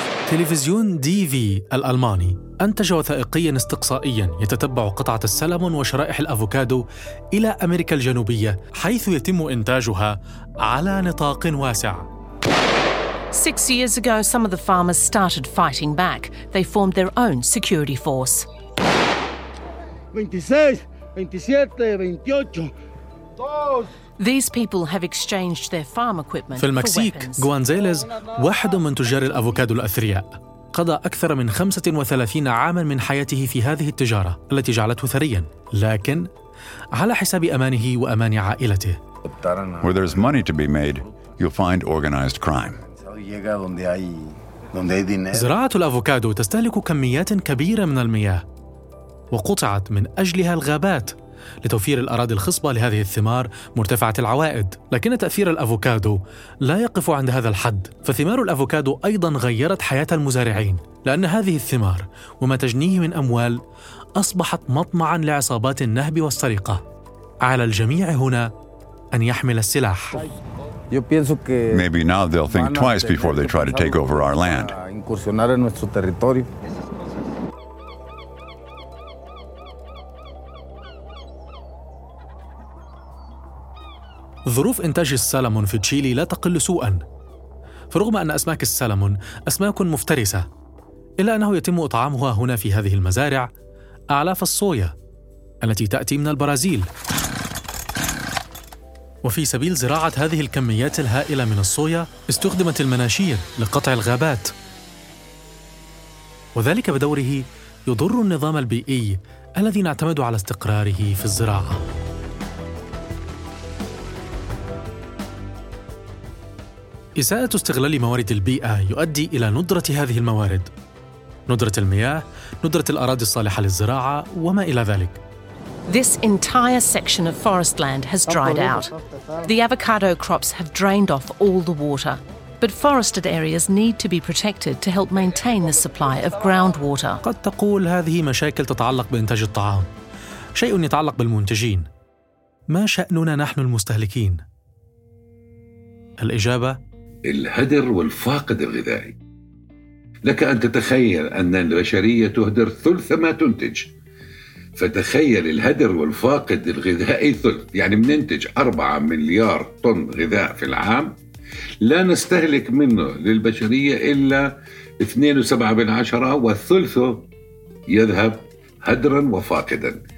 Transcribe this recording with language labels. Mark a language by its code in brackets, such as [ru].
[ar] تلفزيون دي في الألماني أنتج وثائقياً استقصائياً يتتبع قطعة السلمون وشرائح الأفوكادو إلى أمريكا الجنوبية، حيث يتم إنتاجها على نطاق واسع. [en] Six years ago, some of the farmers started fighting back. They formed their own security force. 26, 27, 28. These people have exchanged their farm equipment. [ar] في المكسيك، غوانزيليز واحد من تجار الأفوكادو الأثرياء. قضى أكثر من 35 عاماً من حياته في هذه التجارة التي جعلته ثرياً، لكن على حساب أمانه وأمان عائلته. [en] Where there's money to be made, you'll find organized crime. [ar] زراعة الأفوكادو تستهلك كميات كبيرة من المياه، وقطعت من أجلها الغابات لتوفير الأراضي الخصبة لهذه الثمار مرتفعة العوائد. لكن تأثير الأفوكادو لا يقف عند هذا الحد، فثمار الأفوكادو أيضاً غيرت حياة المزارعين، لأن هذه الثمار وما تجنيه من أموال أصبحت مطمعاً لعصابات النهب والسرقة. على الجميع هنا أن يحمل السلاح. [en] Maybe now they'll think twice before they try to take over our land. [ar] ظروف إنتاج السلمون في تشيلي لا تقل سوءاً، فرغم أن أسماك السلمون أسماك مفترسة، إلا أنه يتم إطعامها هنا في هذه المزارع أعلاف الصويا التي تأتي من البرازيل. وفي سبيل زراعة هذه الكميات الهائلة من الصويا استخدمت المناشير لقطع الغابات، وذلك بدوره يضر النظام البيئي الذي نعتمد على استقراره في الزراعة. إساءة استغلال موارد البيئة يؤدي إلى ندرة هذه الموارد، ندرة المياه، ندرة الأراضي الصالحة للزراعة وما إلى ذلك. [en] This entire section of forest land has dried out. The avocado crops have drained off all the water. But forested areas need to be protected to help maintain the supply of groundwater. [ar] قد تقول هذه مشاكل تتعلق بإنتاج الطعام، شيء يتعلق بالمنتجين. ما شأننا نحن المستهلكين؟ الإجابة: الهدر والفاقد الغذائي. لك أن تتخيل أن البشرية تهدر ثلث ما تنتج، فتخيل الهدر والفاقد الغذائي ثلث، يعني بننتج 4 مليار طن غذاء في العام، لا نستهلك منه للبشرية إلا 2.7 وثلثه يذهب هدرا وفاقدا.